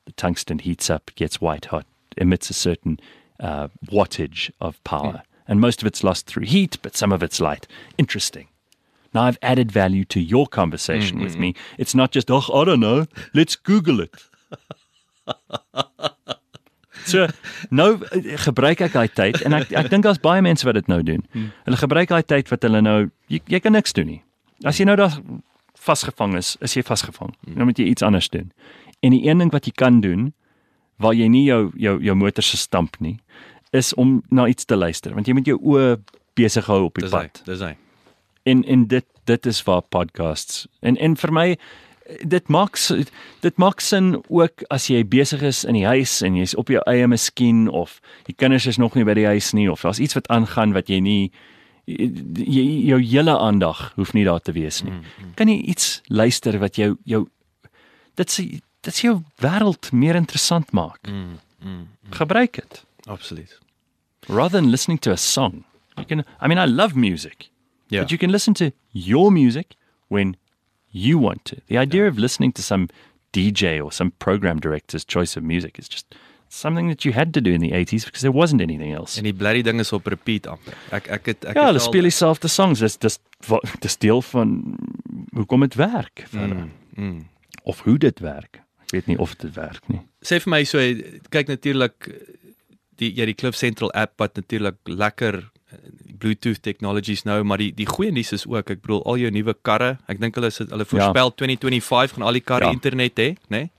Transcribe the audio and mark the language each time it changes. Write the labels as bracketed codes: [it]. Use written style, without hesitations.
[en] The tungsten heats up, gets white hot, emits a certain wattage of power. And most of it's lost through heat, but some of it's light. Interesting. Now I've added value to your conversation with me. It's not just, oh, I don't know. Let's Google it. [af] So, nou gebruik ek daai tyd, en ek dink daar's baie mense wat dit nou doen. Hulle gebruik daai tyd wat hulle nou, jy kan niks doen nie. As jy nou daar vasgevang is, is jy vasgevang. Nou moet jy iets anders doen. En die een ding wat jy kan doen, waar jy nie jou motor se stamp nie, is om na iets te luister, want jy moet jou oë besig hou op die dis pad. Dis hy. En dit is waar podcasts, en vir my, Dit maak sin ook as jy besig is in die huis en jy is op jou eie miskien of die kinders is nog nie by die huis nie of daar is iets wat aangaan wat jy nie, jou hele aandag hoef nie daar te wees nie. Kan jy iets luister wat jou dit jou wêreld meer interessant maak? Gebruik het. Absoluut. [en] Rather than listening to a song, I love music, but you can listen to your music when you want to. The idea of listening to some DJ or some program director's choice of music is just something that you had to do in the 80s because there wasn't anything else. [af] En die blerrie ding is op repeat amper. Ja, hulle speel dieselfde songs. Dis deel van hoekom dit werk. Of hoe dit werk. Ek weet nie of dit werk nie. Sê vir my so, kyk natuurlik die Cliff Central app wat natuurlik lekker Bluetooth technologies nou, maar die goeie nuus is ook, ek bedoel, al jou nuwe karre, ek dink hulle voorspel 2025 gaan al die karre internet hê, nê?